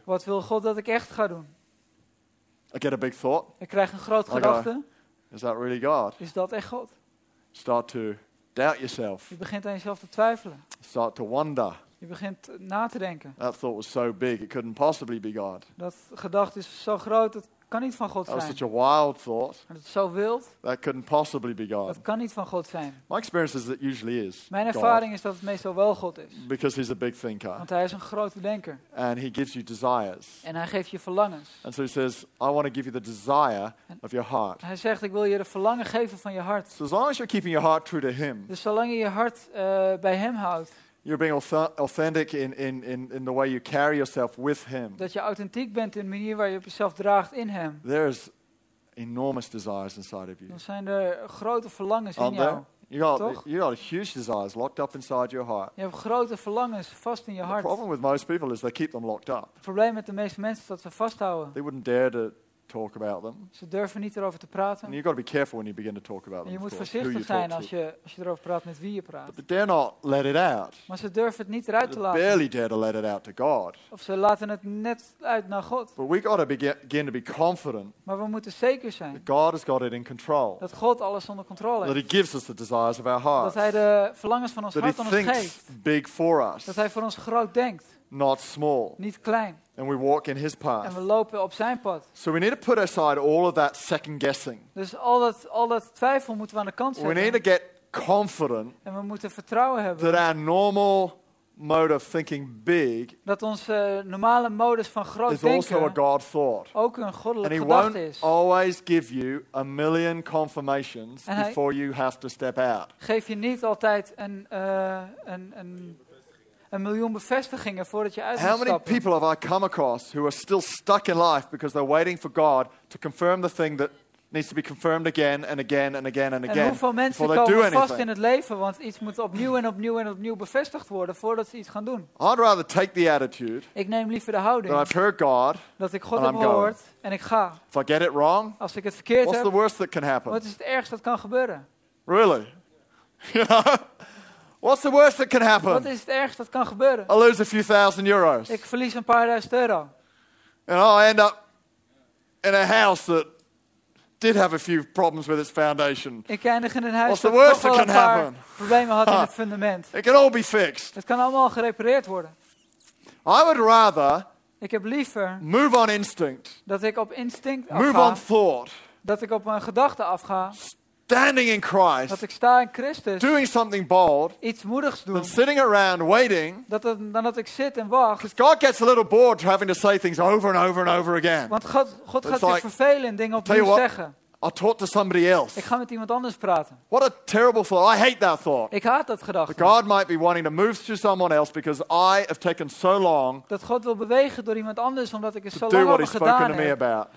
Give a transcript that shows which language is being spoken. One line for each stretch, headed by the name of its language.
Dutch: Wat wil God dat ik echt ga doen?
English: I get a big thought.
Dutch: Ik krijg een groot gedachte.
English: Is that really God?
Dutch: Is dat echt God?
English: Start to doubt yourself.
Dutch: Je begint aan jezelf te twijfelen.
English: Start to wonder.
Dutch: Je begint na te denken.
English: That thought was so big it couldn't possibly be God.
Dutch: Dat gedachte is zo groot dat kan niet van God zijn.
English: That was such a wild thought.
Dutch: En dat is zo wild.
English: That couldn't possibly be God.
Dutch: Dat kan niet van God zijn.
English: My experience is that it usually is.
Dutch: Mijn ervaring is dat het meestal wel God is.
English: Because he's a big thinker.
Dutch: Want hij is een grote denker.
English: And he gives you desires.
Dutch: En hij geeft je verlangens.
English: And so he says, I want to give you the desire of your heart.
Dutch: Hij zegt, ik wil je de verlangen geven van je hart.
English: So as long as you're keeping your heart true to him.
Dutch: Dus zolang je je hart bij hem houdt.
English: You're being authentic in the way you carry yourself with him.
Dutch: Dat je authentiek bent in de manier waar je jezelf draagt in hem.
English: There's enormous desires inside of you.
Dutch: Dan zijn er grote verlangens in jou.
English: You got huge desires locked up inside your heart.
Dutch: Je hebt grote verlangens vast in je hart.
English: The problem with most people is they keep them locked up.
Dutch: Het probleem met de meeste mensen is dat ze vasthouden.
English: They wouldn't dare to talk about them.
Dutch: Ze durven niet erover te praten.
English: And you've got to be careful when you begin to talk about them.
Dutch: En je moet voorzichtig zijn als je erover praat met wie je praat.
English: But they dare not let it out.
Dutch: Maar ze durven het niet eruit
English: they
Dutch: te laten.
English: Barely dare to let it out to God.
Dutch: Of ze laten het net uit naar God.
English: But we got to begin to be confident.
Dutch: Maar we moeten zeker zijn.
English: That God has got it in control.
Dutch: Dat God alles onder controle heeft.
English: That he gives us the desires of our hearts.
Dutch: Dat hij de verlangens van ons
English: that
Dutch: hart aan ons geeft.
English: Big for us.
Dutch: Dat hij voor ons groot denkt.
English: Not small.
Dutch: Niet klein.
English: And we walk in his path.
Dutch: En we lopen op zijn pad.
English: So we need to put aside all of that second guessing.
Dutch: Dus al dat twijfel moeten we aan de kant zetten.
English: We need to get confident.
Dutch: En we moeten vertrouwen hebben.
English: That our normal mode of thinking big.
Dutch: Dat onze normale modus van groot
English: is
Dutch: denken.
English: Also a God thought.
Dutch: Ook een goddelijke
English: and he
Dutch: gedachte
English: won't
Dutch: is.
English: Always give you a million confirmations before you have to step out.
Dutch: Geef je niet altijd een miljoen bevestigingen voordat je uit
English: How many
Dutch: stappen.
English: People have I come across who are still stuck in life because they're waiting for God to confirm the thing that needs to be confirmed again and again and again and again.
Dutch: En hoeveel mensen komen vast
English: anything.
Dutch: In het leven want iets moet opnieuw en opnieuw en opnieuw bevestigd worden voordat ze iets gaan doen.
English: I'd rather take the attitude.
Dutch: Ik neem liever de houding.
English: That I've heard God.
Dutch: Dat ik God heb gehoord en ik ga.
English: If I get it wrong.
Dutch: Als ik het verkeerd
English: what's
Dutch: heb.
English: What's the worst that can happen?
Dutch: Wat is het ergste dat kan gebeuren?
English: Really? What's the worst that can happen?
Dutch: Wat is het ergste dat kan gebeuren?
English: I lose a few thousand euros.
Dutch: Ik verlies een paar duizend euro.
English: And I'll end up in a house that did have a few problems with its foundation.
Dutch: Ik eindig in een huis
English: what's the worst that can happen?
Dutch: Problemen had in het fundament.
English: It can all be fixed.
Dutch: Het kan allemaal gerepareerd worden.
English: I would rather
Dutch: ik heb liever
English: move on instinct.
Dutch: Dat ik op instinct afga.
English: Move on thought.
Dutch: Dat ik op mijn gedachten afga.
English: Standing in Christ,
Dutch: dat ik sta in Christus,
English: doing something bold,
Dutch: iets moedigs doen,
English: than sitting around waiting,
Dutch: dan dat ik zit en wacht.
English: Because God gets a little bored having to say things over and over and over again.
Dutch: Want God gaat zich vervelen in dingen opnieuw zeggen.
English: I'll talk to somebody else.
Dutch: Ik ga met iemand anders praten.
English: What a terrible thought. I hate that thought.
Dutch: Ik haat dat gedachte.
English: God might be wanting to move through someone else because I have taken so long.
Dutch: Dat God wil bewegen door iemand anders omdat ik het zo lang heb gedaan.